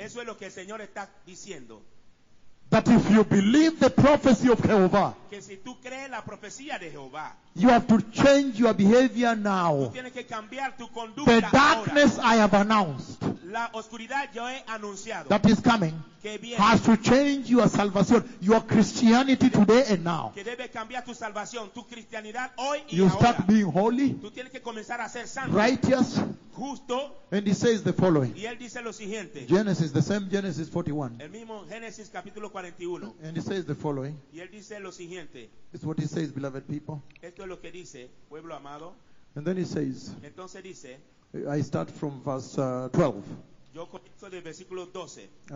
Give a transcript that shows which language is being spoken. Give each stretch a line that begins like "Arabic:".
Spanish: Eso es lo que el Señor está diciendo.
English: That if you believe the prophecy of Jehovah,
Spanish: que si tú crees la profecía de Jehová,
English: you have to change your behavior now.
Spanish: Tú tienes que cambiar tu
English: conducta. The darkness
Spanish: ahora,
English: I have announced,
Spanish: la oscuridad yo he anunciado,
English: that is coming,
Spanish: que viene,
English: has to change your salvation, your Christianity today and now.
Spanish: Que debe cambiar tu salvación, tu cristianidad hoy y
English: you
Spanish: ahora.
English: You start being holy,
Spanish: tú tienes que comenzar a ser santo,
English: righteous,
Spanish: justo.
English: And he says the following.
Spanish: Y él dice lo siguiente.
English: Genesis, the same Genesis 41.
Spanish: El mismo Génesis capítulo 41.
English: And he says the following.
Spanish: Y él dice lo siguiente.
English: It's what he says, beloved people.
Spanish: Esto es lo que dice, pueblo amado.
English: And then he says.
Spanish: Entonces dice.
English: I start from verse 12.
Spanish: Yo comienzo del versículo 12.